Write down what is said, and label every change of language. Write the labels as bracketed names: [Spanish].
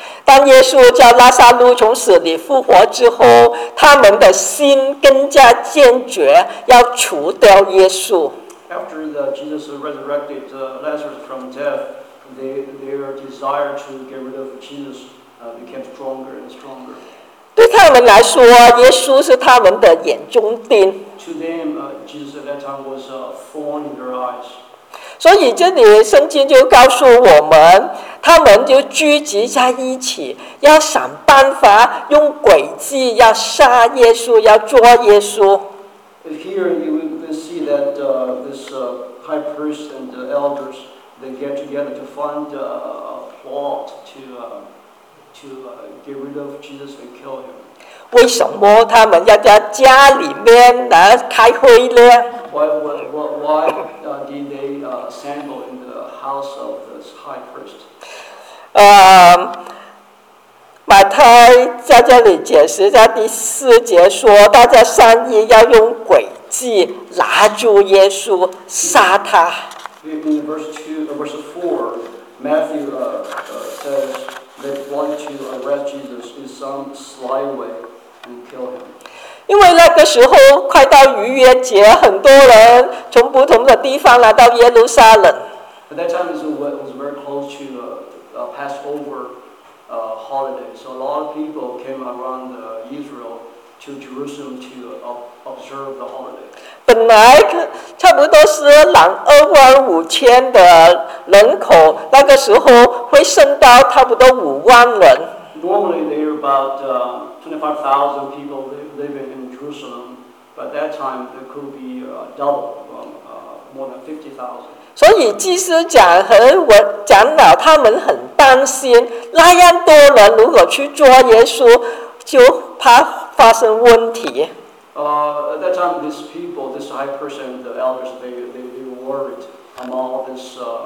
[Chinese] 当耶稣叫拉撒路从死里复活之后，他们的心更加坚决，要除掉耶稣。 [English] After Jesus resurrected Lazarus from death, their desire to get rid of Jesus became stronger and stronger. [Chinese] 对他们来说，耶稣是他们的眼中钉。 [English] To them, Jesus at that time was a thorn in their eyes. [Chinese] 所以这里圣经就告诉我们，他们就聚集在一起，要想办法用诡计要杀耶稣，要捉耶稣。 [English] Here you can see that this high priest and the elders they get together to find a plot to get rid of Jesus and kill him. [Chinese] 为什么他们要在家里面来开会呢？ [English] Why did they assemble in the house of this high priest? [Chinese] 马太在这里解释，在第四节说，大家商议要用诡计拿住耶稣，杀他。 [English] In verse 4, Matthew says. They want to arrest Jesus in some sly way and kill him. [Chinese] 因为那个时候快到逾越节，很多人从不同的地方来到耶路撒冷。 [English] At that time, it was very close to the Passover holiday, so a lot of people came around Israel to Jerusalem to observe the holiday. [Chinese] 本来差不多是25,000的人口，那个时候。会升到差不多50,000人。 [English] Normally there are about 25,000 people living in Jerusalem, but at that time there could be double, more than 50,000. [Chinese] 所以祭司长和长老他们很担心，那样多人如果去抓耶稣，就怕发生问题。 [English] At that time, these people, this high priest and the elders, they were worried among all this.